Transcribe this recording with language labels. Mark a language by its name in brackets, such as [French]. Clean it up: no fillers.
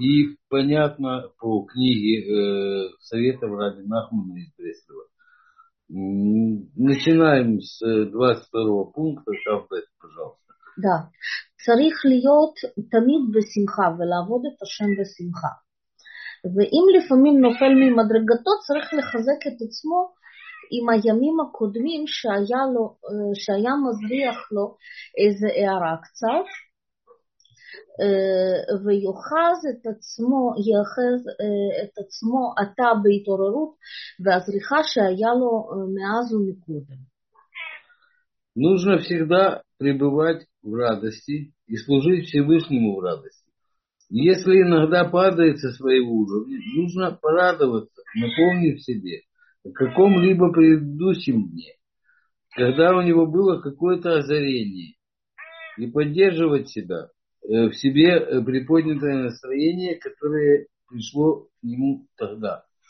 [Russian] И понятно по книге Совета Рабби Нахмана из Бреслева. Начинаем с 22 пункта. Шабет, пожалуйста. Да. [Hebrew] Царих льет тамид бесимха, велаводет ашем бесимха. ואם לפעמים נופל ממדרגתו, צריך לחזק את עצמו עם הימים הקודמים שהיה, לו, שהיה מזריח לו איזה הערה קצת, ויוחז את עצמו, יאחז את עצמו עתה בהתעוררות והזריחה שהיה לו מאז ומקודם. [Russian] Нужно всегда пребывать в радости и служить Всевышнему в радости. Если иногда падает со своего уровня, нужно порадоваться, напомнив себе о каком-либо предыдущем дне, когда у него было какое-то озарение, и поддерживать себя в себе приподнятое настроение, которое пришло к нему тогда.